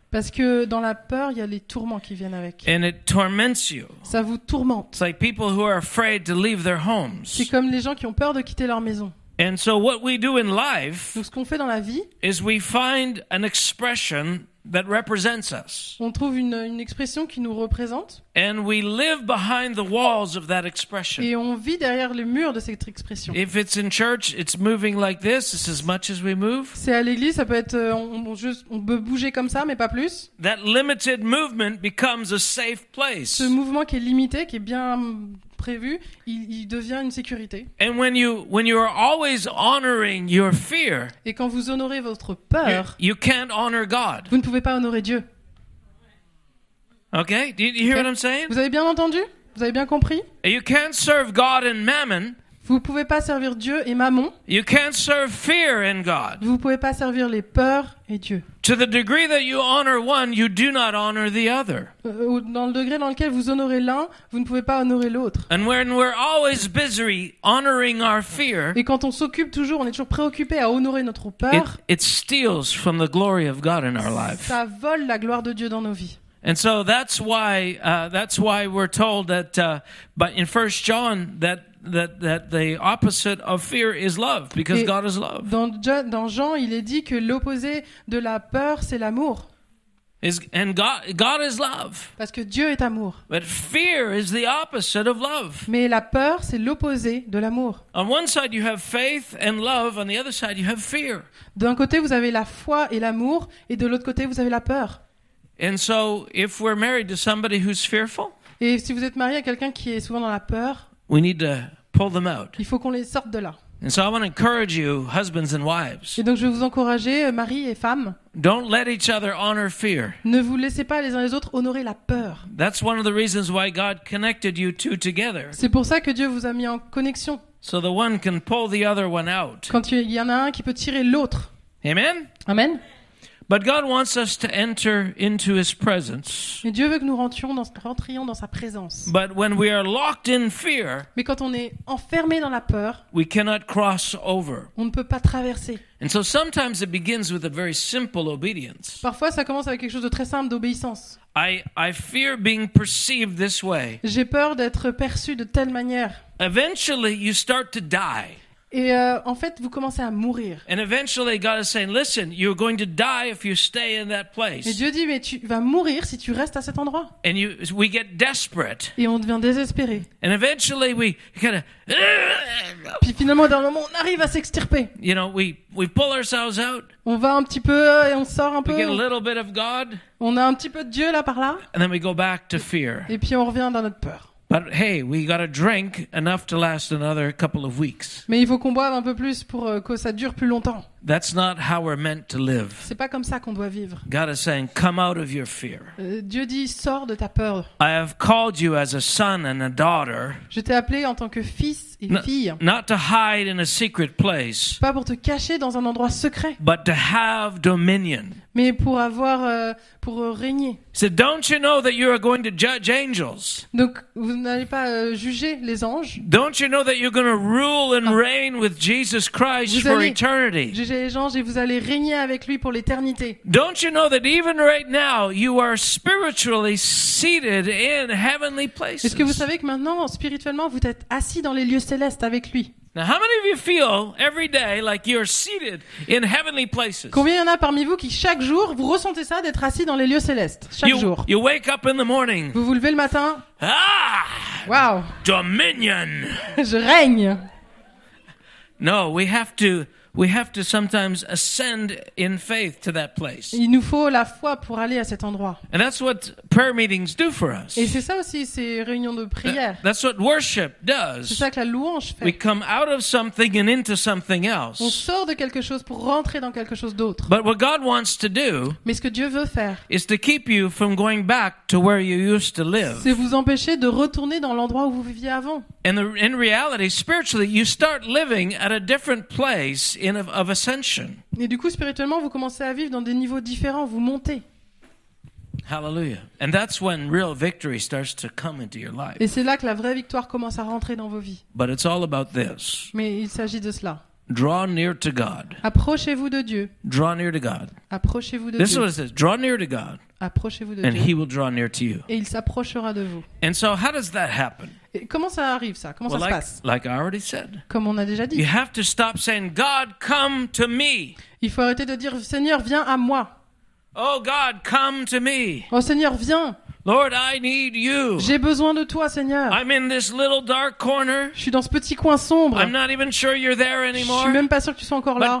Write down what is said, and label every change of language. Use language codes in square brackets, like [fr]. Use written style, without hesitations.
[fr] Parce que dans la peur, il y a les tourments qui viennent avec. [en] And it torments you. [fr] Ça vous tourmente. [en] It's like people who are afraid to leave their homes. [fr] C'est comme les gens qui ont peur de quitter leur maison. [en] And so what we do in life, [fr] donc ce qu'on fait dans la vie, [en] is we find an expression that represents us. [fr] On trouve une expression qui nous représente. [en] And we live behind the walls of that expression. [fr] Et on vit derrière les murs de cette expression. [en] If it's in church, it's moving like this. It's as much as we move. [fr] C'est à l'église, ça peut être on peut bouger comme ça, mais pas plus. [en] That limited movement becomes a safe place. [fr] Ce mouvement qui est limité, qui est bien prévu, il devient une sécurité. [en] And when you are always honoring your fear, [fr] et quand vous honorez votre peur, [en] you can't honor God. [fr] Vous ne pouvez pas honorer Dieu. [en] Okay, do you hear what I'm saying? [fr] Vous avez bien entendu? Vous avez bien compris? [en] You can't serve God and mammon. [fr] Vous ne pouvez pas servir Dieu et mammon. [en] You can't serve fear and God. [fr] Vous ne pouvez pas servir les peurs et Dieu. [en] To the degree that you honor one, you do not honor the other. [fr] Dans le degré dans lequel vous honorez l'un, vous ne pouvez pas honorer l'autre. [en] And when we're always busy honoring our fear, [fr] et quand on s'occupe toujours, on est toujours préoccupé à honorer notre peur, [en] it steals from the glory of God in our life. [fr] Ça vole la gloire de Dieu dans nos vies. [en] And so that's why we're told that but in 1 John that the opposite of fear is love, because [fr] et [en] God is love. [fr] Dans Jean, il est dit que l'opposé de la peur, c'est l'amour. [en] And God is love. [fr] Parce que Dieu est amour. [en] But fear is the opposite of love. [fr] Mais la peur, c'est l'opposé de l'amour. [en] On one side you have faith and love, on the other side you have fear. [fr] D'un côté, vous avez la foi et l'amour, et de l'autre côté, vous avez la peur. [en] And so if we're married to somebody who's fearful, [fr] et si vous êtes marié à quelqu'un qui est souvent dans la peur, [en] we need to pull them out. [fr] Il faut qu'on les sorte de là. [en] And so I want to encourage you, husbands and wives. [fr] Et donc je vais vous encourager, mari et femme. [en] Don't let each other honor fear. [fr] Ne vous laissez pas les uns les autres honorer la peur. [en] That's one of the reasons why God connected you two together. [fr] C'est pour ça que Dieu vous a mis en connexion. [en] So the one can pull the other one out. [fr] Quand il y en a un qui peut tirer l'autre. Amen. Amen. [en] But God wants us to enter into His presence. [fr] Mais Dieu veut que nous rentrions dans sa présence. [en] But when we are locked in fear, [fr] mais quand on est enfermé dans la peur, [en] we cannot cross over. [fr] On ne peut pas traverser. [en] And so sometimes it begins with a very simple obedience. [fr] Parfois, ça commence avec quelque chose de très simple, d'obéissance. [en] I fear being perceived this way. [fr] J'ai peur d'être perçu de telle manière. [en] Eventually, you start to die. [fr] Et en fait, vous commencez à mourir. [en] And eventually God is saying, listen, you're going to die if you stay in that place. [fr] Et Dieu dit, mais tu vas mourir si tu restes à cet endroit. [en] And we get desperate. [fr] Et on devient désespéré. [en] And eventually we kind of. [fr] Puis finalement, dans un moment, on arrive à s'extirper. [en] You know, we pull ourselves out. [fr] On va un petit peu et on sort un peu. [en] We get a little bit of God. [fr] On a un petit peu de Dieu là par là. [en] And then we go back to fear. [fr] Et puis on revient dans notre peur. [en] But hey, we got to drink enough to last another couple of weeks. [fr] Mais il faut qu'on boive un peu plus pour que ça dure plus longtemps. [en] That's not how we're meant to live. [fr] C'est pas comme ça qu'on doit vivre. [en] God is saying, come out of your fear. [fr] Dieu dit, sors de ta peur. [en] I have called you as a son and a daughter. [fr] Je t'ai appelé en tant que fils et fille. [en] Not to hide in a secret place. [fr] Pas pour te cacher dans un endroit secret. [en] But to have dominion. [fr] Mais pour avoir, pour régner. [en] So don't you know that you are going to judge angels? [fr] Donc vous n'allez pas juger les anges? [en] Don't you know that you're going to rule and reign with Jesus Christ for eternity? [fr] Vous allez juger les anges et vous allez régner avec lui pour l'éternité. [en] Don't you know that even right now you are spiritually seated in heavenly places? [fr] Est-ce que vous savez que maintenant spirituellement vous êtes assis dans les lieux célestes avec lui? [en] Now, how many of you feel every day like you're seated in heavenly places? [fr] Combien y en a parmi vous qui chaque jour vous ressentez ça d'être assis dans les lieux célestes chaque jour? [en] You wake up in the morning. [fr] Vous vous levez le matin. Ah! Wow. [en] Dominion. [fr] Je règne. [en] No, we have to we have to sometimes ascend in faith to that place. [fr] Il nous faut la foi pour aller à cet endroit. [en] And that's what prayer meetings do for us. [fr] Et c'est ça aussi, ces réunions de prière. [en] That's what worship does. [fr] C'est ça que la louange fait. [en] We come out of something and into something else. [fr] On sort de quelque chose pour rentrer dans quelque chose d'autre. [en] But what God wants to do, [fr] mais ce que Dieu veut faire, [en] is to keep you from going back to where you used to live. [fr] C'est vous empêcher de retourner dans l'endroit où vous viviez avant. [en] And in reality, spiritually, you start living at a different place in of ascension. [fr] Et du coup, spirituellement, vous commencez à vivre dans des niveaux différents, vous montez. Hallelujah. [en] And that's when real victory starts to come into your life. [fr] Et c'est là que la vraie victoire commence à rentrer dans vos vies. [en] But it's all about this. [fr] Mais il s'agit de cela. [en] Draw near to God. [fr] Approchez-vous de Dieu. [en] Draw near to God. [fr] Approchez-vous de [en] this [fr] Dieu. [en] This is what it says. Draw near to God. [fr] Approchez-vous de [en] and [fr] Dieu. [en] He will draw near to you. [fr] Et il s'approchera de vous. [en] And so how does that happen? [fr] Et comment ça arrive ça? Comment [en] well, [fr] ça se passe? [en] Like I already said. [fr] Comme on a déjà dit. [en] You have to stop saying God come to me. [fr] Il faut arrêter de dire Seigneur viens à moi. [en] Oh God come to me. [fr] Oh Seigneur viens. [en] Lord, I need you. [fr] J'ai besoin de toi, Seigneur. [en] I'm in this little dark corner. [fr] Je suis dans ce petit coin sombre. [en] I'm not even sure you're there anymore. [fr] Je suis même pas sûr que tu sois encore là.